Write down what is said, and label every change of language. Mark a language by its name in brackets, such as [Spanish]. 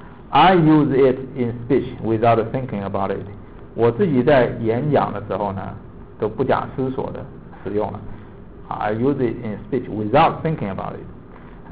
[English] I use it in speech without thinking about it. [Chinese] 我自己在演讲的时候呢，都不假思索的使用了。 [English] I use it in speech without thinking about it.